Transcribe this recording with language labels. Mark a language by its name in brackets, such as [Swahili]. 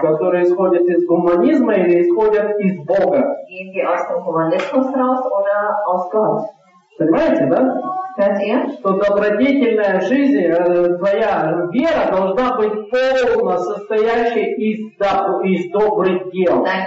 [Russian] Которые исходят из гуманизма или исходят из Бога? [German] Gehen die aus dem Humanismus raus oder aus Gott? [Russian] Понимаете, да? Что добродетельная жизнь, твоя вера должна быть полна, состоящая из, да, из добрых дел.